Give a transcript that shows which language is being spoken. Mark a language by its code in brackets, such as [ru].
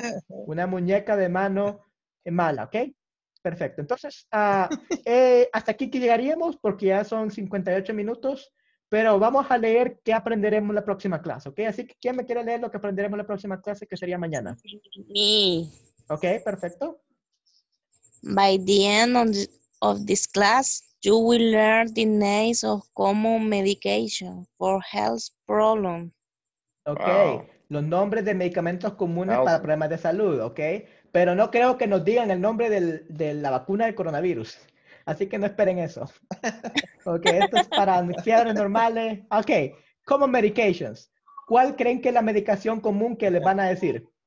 [es] Una muñeca de mano mala, ¿ok? Perfecto, entonces hasta aquí que llegaríamos porque ya son 58 minutos, pero vamos a leer qué aprenderemos la próxima clase, ¿ok? Así que ¿quién me quiere leer lo que aprenderemos la próxima clase que sería mañana? [en] Me. [es] Ok, perfecto. [en] By the end of this class, you will learn the names of common medication for health problems. Ok. Wow. [es] Los nombres de medicamentos comunes para problemas de salud, ok. Pero no creo que nos digan el nombre de la vacuna del coronavirus. Así que no esperen eso. Ok, esto es para fiebres normales. Ok, common medications. ¿Cuál creen que es la medicación común que les van a decir?